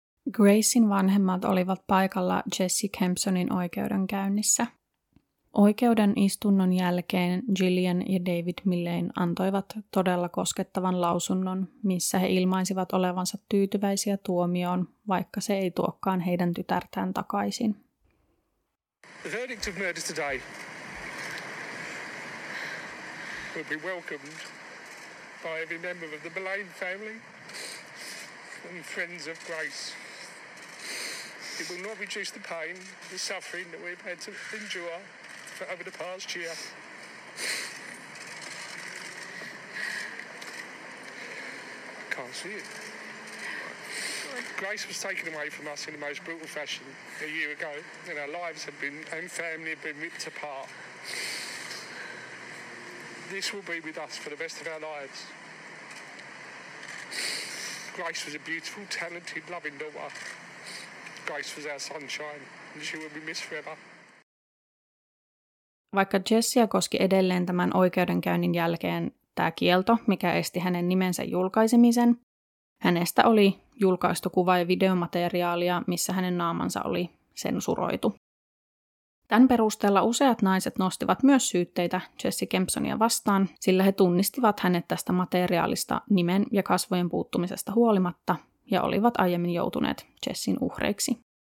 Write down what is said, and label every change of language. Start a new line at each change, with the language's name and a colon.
Finnish: Gracen vanhemmat olivat paikalla Jesse Kempsonin oikeudenkäynnissä. Oikeuden istunnon jälkeen Gillian ja David Millane antoivat todella koskettavan lausunnon, missä he ilmaisivat olevansa tyytyväisiä tuomioon, vaikka se ei tuokaan heidän tytärtään takaisin.
English: The verdict of murder today will be welcomed by every member of the Millane family and friends of Grace. It will not reduce the pain, the suffering that we've had to endure. for having the past year. I can't see it. Grace was taken away from us in the most brutal fashion a year ago, and our lives have been and family have been ripped apart. This will be with us for the rest of our lives. Grace was a beautiful, talented, loving daughter. Grace was our sunshine, and she will be missed forever.
Finnish: Vaikka Jessia koski edelleen tämän oikeudenkäynnin jälkeen tämä kielto, mikä esti hänen nimensä julkaisemisen, hänestä oli julkaistu kuva- ja videomateriaalia, missä hänen naamansa oli sensuroitu. Tämän perusteella useat naiset nostivat myös syytteitä Jesse Kempsonia vastaan, sillä he tunnistivat hänet tästä materiaalista nimen ja kasvojen puuttumisesta huolimatta ja olivat aiemmin joutuneet Jessin uhreiksi.